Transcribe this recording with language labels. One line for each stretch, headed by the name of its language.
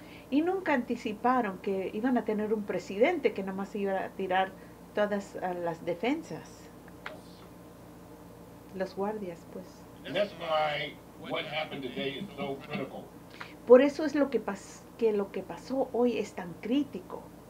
Spanish: Y nunca anticiparon que iban a tener un presidente que nada más iba a tirar todas las defensas, los guardias, pues.
English: And that's why what happened today is so critical.
Spanish: Por eso es lo que pasó hoy es tan crítico.